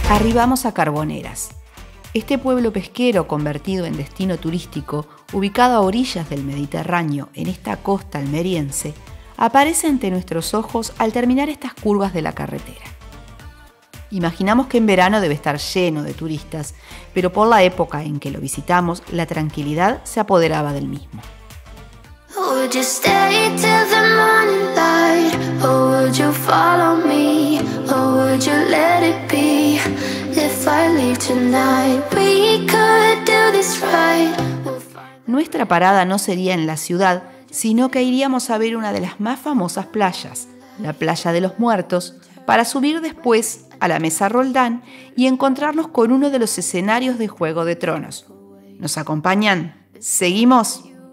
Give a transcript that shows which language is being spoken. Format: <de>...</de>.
<es>Llegamos a Carboneras. Este pueblo pesquero convertido en destino turístico, ubicado a orillas del Mediterráneo, en esta costa almeriense, aparece ante nuestros ojos al terminar estas curvas de la carretera. Imaginamos que en verano debe estar lleno de turistas, pero por la época en que lo visitamos, la tranquilidad se apoderaba del mismo.</es> <en>Would you stay till the morning light? Or would you follow me? Or would you let it be? If I leave tonight, we could do this right.</en> <es>Nuestra parada no sería en la ciudad, sino que iríamos a ver una de las más famosas playas, la Playa de los Muertos, para subir después a la Mesa Roldán y encontrarnos con uno de los escenarios de Juego de Tronos. ¿Nos acompañan? ¡Seguimos!</es>